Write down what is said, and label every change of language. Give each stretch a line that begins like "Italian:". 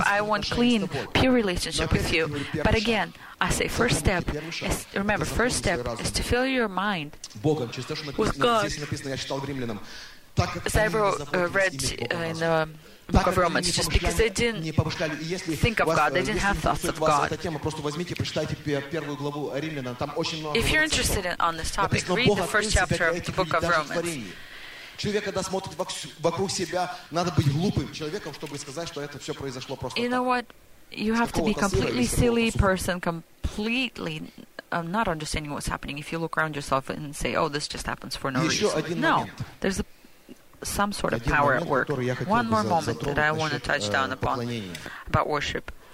English: I want clean, pure relationship with you. But again, I say first step is, remember, first step is to fill your mind with God. As I read in the book of Romans, just because they didn't think of God, they didn't have thoughts of God. If you're interested on this topic, read the first chapter of the book of Romans.
Russian: Человек, когда смотрит вокруг себя, надо быть глупым человеком, чтобы сказать, что это все произошло просто.
English: You know what? You have to be completely silly person, completely not understanding what's happening. If you look around yourself and say, "Oh, this just happens for no reason." No, there's some sort of power at work. One more moment that I want to touch down upon about worship.